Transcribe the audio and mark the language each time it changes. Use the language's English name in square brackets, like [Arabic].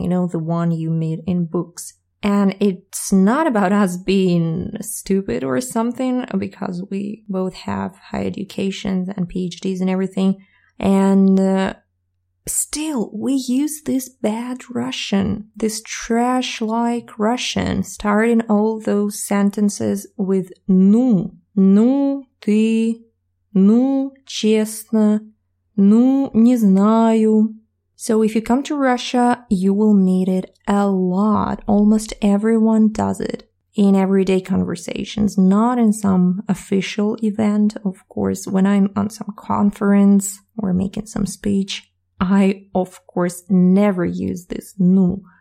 [English] You know, the one you meet in books. And it's not about us being stupid or something, because we both have high educations and PhDs and everything. And still, we use this bad Russian, this trash-like Russian, starting all those sentences with ну. [Russian] Ну ты, ну честно, ну не знаю. [English] So if you come to Russia, you will meet it a lot. Almost everyone does it in everyday conversations, not in some official event. Of course, when I'm on some conference or making some speech, I, of course, never use this ну.